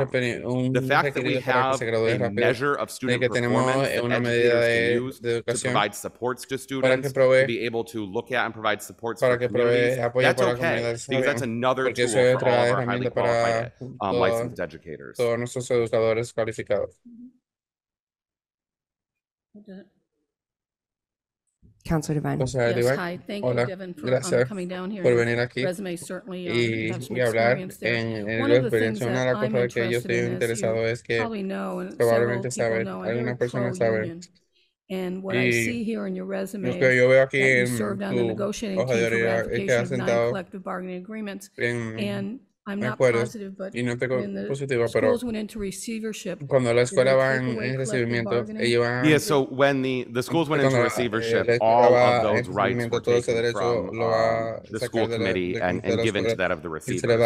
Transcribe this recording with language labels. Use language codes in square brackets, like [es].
[en] The fact that we have a measure of student performance that educators can use to provide supports to students, to be able to look at and provide supports for communities, that's okay, because that's another tool for all of our highly qualified licensed educators. [es] Todos nuestros educadores calificados. [en] Councillor Devine. Yes, hi, thank you, Devin, for coming down here. [es] Por venir aquí y hablar en la experiencia. Una de las cosas que yo estoy interesado es que probablemente saber, alguna persona sabe. [en] And what I see here in your resume, you served on the negotiation team for ratification of nine collective bargaining agreements, and I'm not positive, but [es] no [en] when the [es] positivo, [en] schools went into receivership, [es] cuando la escuela va en recibimiento, [en] so when the schools went into receivership, all of those rights were taken from the school committee and given to that of the receiver.